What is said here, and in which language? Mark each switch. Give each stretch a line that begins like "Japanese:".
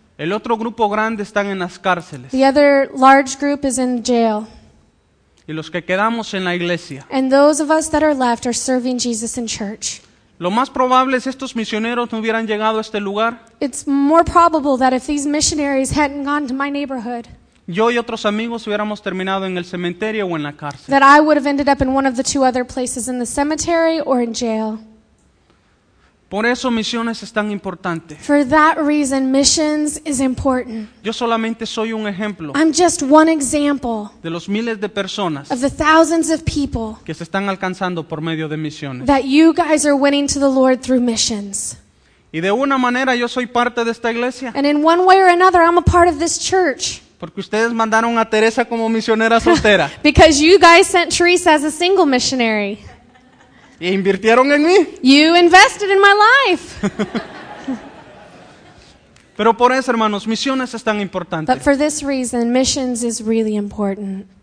Spanish: El otro grupo grande están en las cárceles.
English: The other large group is in jail.
Spanish: Y los que quedamos en la iglesia.
English: And those of us that are left are serving Jesus in church.
Spanish: Lo más probable es estos misioneros no hubieran llegado a este lugar.
English: It's more probable that if these missionaries hadn't gone to my neighborhood.
Spanish: Yo y otros amigos hubiéramos terminado en el cementerio o en la cárcel.
English: That I would have ended up in one of the 2 other places, in the cemetery or in jail.
Spanish: Por eso misiones es tan importante.
English: For that reason, missions is important.
Spanish: Yo solamente soy un ejemplo.
English: I'm just one example.
Spanish: De los miles de personas.
English: Of the thousands of people.
Spanish: Que se están alcanzando por medio de misiones.
English: That you guys are winning to the Lord through missions.
Spanish: Y de una manera yo soy parte de esta iglesia.
English: And in one way or another, I'm a part of this church.
Spanish: Porque ustedes mandaron a Teresa como misionera soltera.
English: Because you guys sent Teresa as a single missionary.
Spanish: E invirtieron en mí.
English: You invested in my life.
Spanish: Pero por eso, hermanos, misiones es tan importante.
English: But for this reason, missions is really important.